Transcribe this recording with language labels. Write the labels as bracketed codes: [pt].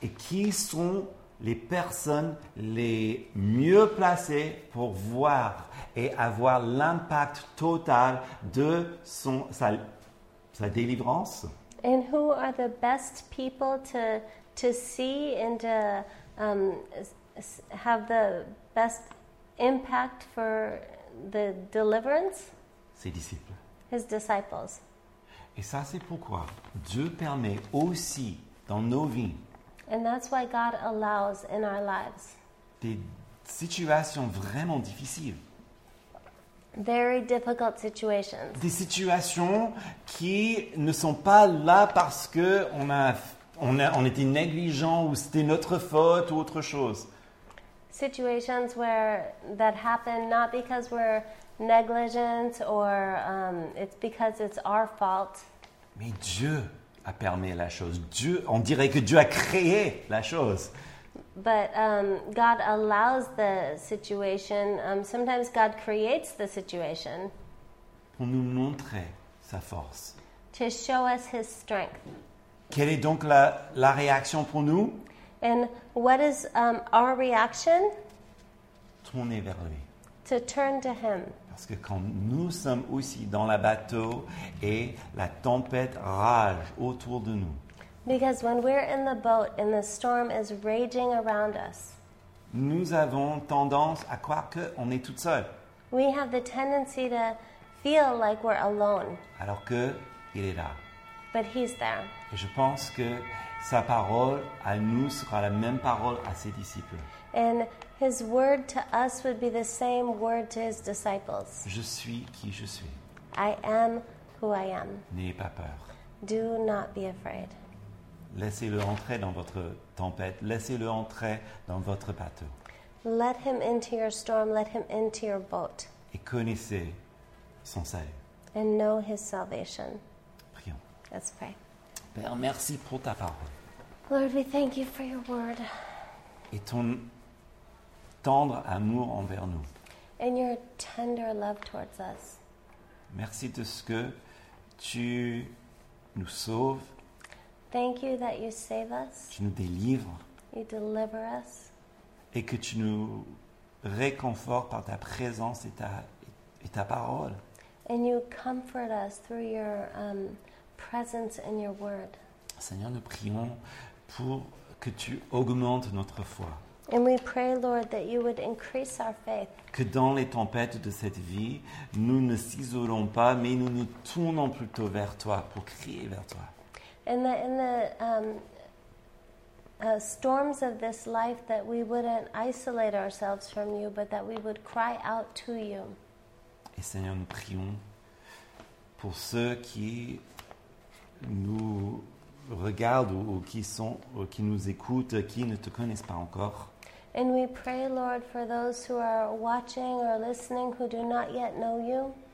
[fr] Et qui sont les personnes les mieux placées pour voir et avoir l'impact total de sa délivrance? [en] And who are the best people to see and to have the best impact for the deliverance? [fr] Ses disciples. [en] His disciples. [fr] Et ça, c'est pourquoi Dieu permet aussi dans nos vies, [en] and that's why God allows in our lives, [fr] des situations vraiment difficiles. [en] Very difficult situations. [fr] Des situations qui ne sont pas là parce que on était négligent ou c'était notre faute ou autre chose. [en] Situations where that happened not because we're negligent or it's because it's our fault. [fr] Mais Dieu a permis la chose. Dieu, on dirait que Dieu a créé la chose. [en] But God allows the situation. Sometimes God creates the situation. [fr] Pour nous montrer sa force. [en] To show us his strength. [fr] Quelle est donc la réaction pour nous? [en] And what is our reaction? [fr] Tourner vers lui. [en] To turn to him. [fr] Parce que quand nous sommes aussi dans le bateau et la tempête rage autour de nous. [en] Because when we're in the boat and the storm is raging around us. [fr] nous avons tendance à croire qu'on est toute seule. [en] We have the tendency to feel like we're alone. [fr] Alors que il est là. [en] But he's there. [fr] Et je pense que sa parole à nous sera la même parole à ses disciples. [en] And his word to us would be the same word to his disciples. [fr] Je suis qui je suis. [en] I am who I am. [fr] N'ayez pas peur. [en] Do not be afraid. [fr] Laissez-le entrer dans votre tempête. Laissez-le entrer dans votre bateau. [en] Let him into your storm. Let him into your boat. [fr] Et connaissez son salut. [en] And know his salvation. [fr] Prions. [en] Let's pray. [fr] Père, merci pour ta parole. [en] Lord, we thank you for your word. [fr] Et ton tendre amour envers nous. [en] And your tender love towards us. [fr] Merci de ce que tu nous sauves. [en] Thank you that you save us. [fr] Tu nous délivres. [en] You deliver us. [fr] Et que tu nous réconfortes par ta présence et ta parole. [en] And you comfort us through your presence and your word. [fr] Seigneur, nous prions pour que tu augmentes notre foi. [en] And we pray, Lord, that you would increase our faith. [fr] Que dans les tempêtes de cette vie, nous ne s'isolons pas, mais nous nous tournons plutôt vers toi pour crier vers toi. [en] And that in the storms of this life, that we wouldn't isolate ourselves from you, but that we would cry out to you. [fr] Et Seigneur, nous prions pour ceux qui nous regardent ou qui nous écoutent, qui ne te connaissent pas encore. [en] And we pray, Lord, for those who are watching or listening who do not yet know you.